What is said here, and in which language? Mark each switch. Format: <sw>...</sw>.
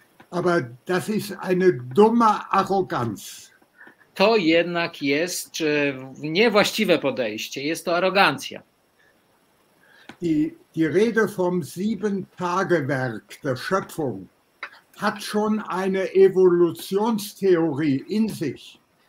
<de>Aber das ist eine dumme Arroganz.</de> <pl>To jednak jest niewłaściwe podejście, jest to arogancja.</pl> <de>Die Rede vom Sieben-Tage-Werk der Schöpfung hat schon eine Evolutionstheorie in sich.</de>